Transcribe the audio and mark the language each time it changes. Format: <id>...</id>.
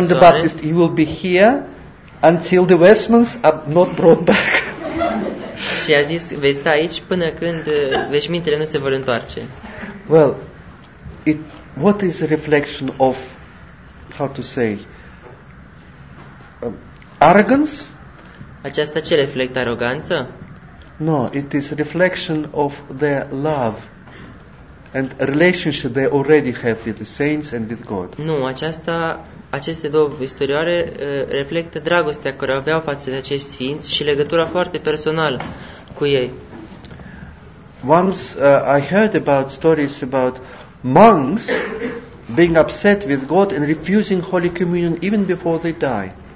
<en>And said to St. John the Baptist, "You will be here until the vestments are not brought back."</en> <ro>Și a zis, "Vei sta aici până când veșmintele nu se vor întoarce."</ro> <en>Well, what is a reflection of, how to say, arrogance?</en> <ro>Aceasta ce reflectă aroganță?</ro> <en>No, it is a reflection of their love and a relationship they already have with the saints and with God.</en> <ro>Nu, aceste două istorioare reflectă dragostea care aveau față de acești sfinți și legătura foarte personală cu ei.</ro> <en>Once I heard about stories about monks being upset with God and refusing Holy Communion even before they die.</en>